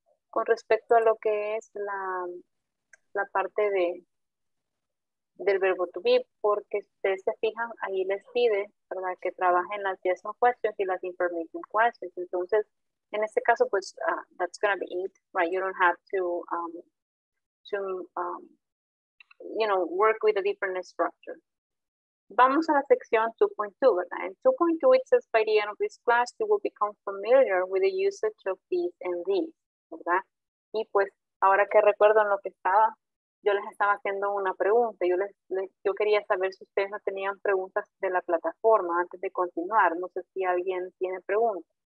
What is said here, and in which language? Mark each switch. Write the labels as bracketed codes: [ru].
[es] Con respecto a lo que es la parte del verbo to be, porque ustedes se fijan, ahí les pide, ¿verdad?, que trabajen las [en] yes no questions [es] y las [en] information questions. [es] Entonces, en este caso, pues, [en] that's going to be it, right? You don't have to work with a different structure. [es] Vamos a la sección 2.2, ¿verdad? En 2.2, [en] it says, by the end of this class, you will become familiar with the usage of these and these, [es] ¿verdad? Y pues ahora que recuerdo en lo que estaba, yo les estaba haciendo una pregunta. Yo quería saber si ustedes no tenían preguntas de la plataforma antes de continuar. No sé si alguien tiene preguntas.